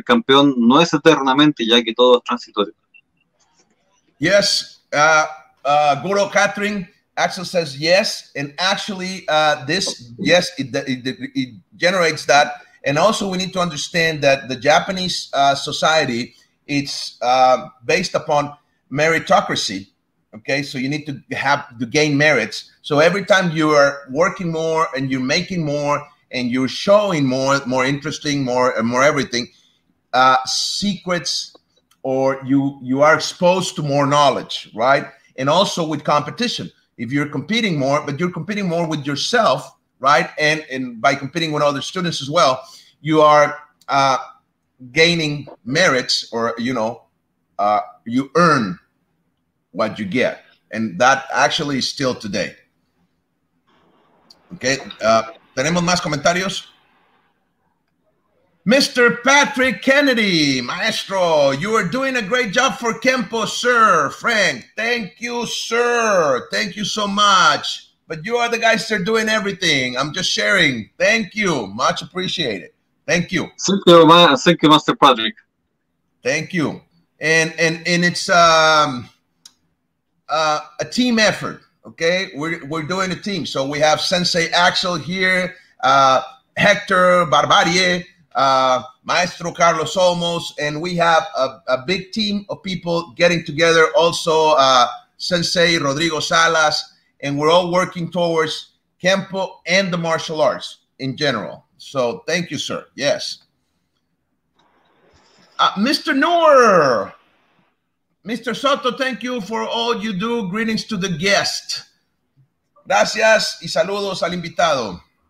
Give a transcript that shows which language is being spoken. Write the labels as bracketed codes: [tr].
[es] El campeón no es eternamente, ya que todo es transitorio. [en] Yes, Guru Catherine, Axel says yes, and actually this, yes, it generates that, and also we need to understand that the Japanese society, it's based upon meritocracy, okay, so you need to have to gain merits, so every time you are working more, and you're making more, and you're showing more interesting, more and more everything, secrets, or you are exposed to more knowledge, right? And also with competition. If you're competing more, but you're competing more with yourself, right? And by competing with other students as well, you are gaining merits, or, you know, you earn what you get. And that actually is still today. [es] Okay, tenemos más comentarios. [en] Mr. Patrick Kennedy, maestro, you are doing a great job for Kenpo, sir. Frank, thank you, sir. Thank you so much. But you are the guys that are doing everything. I'm just sharing. Thank you. Much appreciated. Thank you. Thank you, Master Patrick. Thank you. And it's a team effort, okay? We're doing a team. So we have Sensei Axel here, Hector Barbarie, Maestro Carlos Olmos, and we have a big team of people getting together, also Sensei Rodrigo Salas, and we're all working towards Kenpo and the martial arts in general. So thank you, sir. Yes. Mr. Noor, Mr. Soto, thank you for all you do. Greetings to the guest. [es] Gracias y saludos al invitado.